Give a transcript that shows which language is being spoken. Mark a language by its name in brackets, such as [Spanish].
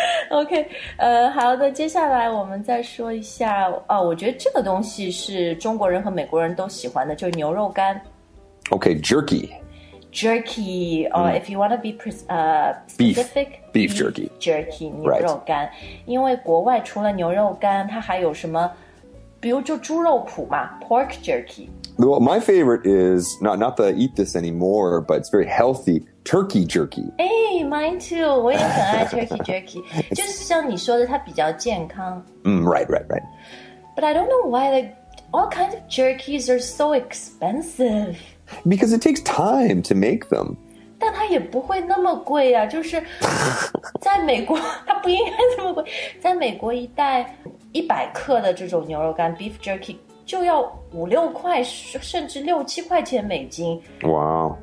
[Chinese] OK, 好的，接下来我们再说一下。哦，我觉得这个东西是中国人和美国人都喜欢的，就是牛肉干。 [English] Okay, jerky. Jerky, or if you want to be specific, beef jerky. [Chinese] Jerky, 牛肉干、right. 因为国外除了牛肉干它还有什么比如就猪肉脯嘛 pork jerky. [English] Well, my favorite is, not that I eat this anymore, but it's very healthy, turkey jerky. Hey, mine too. [Chinese] 我也很爱 [English] turkey jerky. [Chinese] 就是像你说的它比较健康。 [English] Right, right, right. But I don't know why all kinds of jerkies are so expensive. Because it takes time to make them. [Chinese] 但它也不会那么贵啊，就是在美国，它不应该这么贵。在美国一袋100克的这种牛肉干 beef jerky 就要5-6块，甚至6-7块钱美金。 [English] Wow.